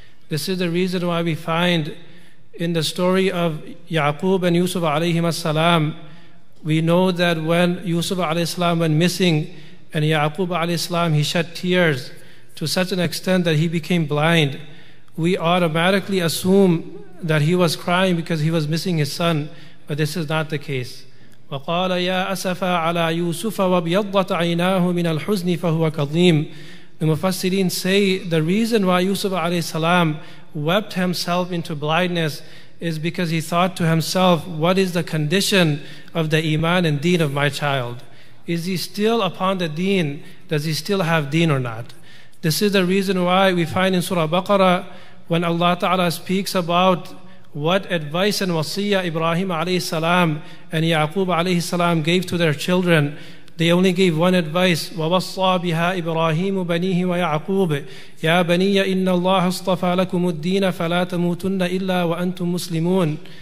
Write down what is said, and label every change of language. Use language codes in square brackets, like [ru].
[en] This is the reason why we find in the story of Yaqub and Yusuf ﷺ, we know that when Yusuf ﷺ went missing and Yaqub ﷺ, he shed tears to such an extent that he became blind, we automatically assume that he was crying because he was missing his son, but this is not the case. [ar] وَقَالَ يَا أَسَفَا عَلَى يُوسُفَ وَبْيَضَّتْ عَيْنَاهُ مِنَ الْحُزْنِ فَهُوَ كَظِيمٌ. [en] The Mufassirin say the reason why Yusuf a.s. wept himself into blindness is because he thought to himself, what is the condition of the iman and deen of my child? Is he still upon the deen? Does he still have deen or not? This is the reason why we find in Surah Baqarah, when Allah Ta'ala speaks about what advice and wasiyah Ibrahim alayhi salam and Yaqub alayhi salam gave to their children, they only gave one advice: [ar] وَوَصَّى بِهَا إِبْرَاهِيمُ بَنِيهِ وَيَعْقُوبِ يَا بَنِيَّ إِنَّ اللَّهَ اصْطَفَى لَكُمُ الدِّينَ فَلَا تَمُوتُنَّ إِلَّا وَأَنْتُمْ مُسْلِمُونَ.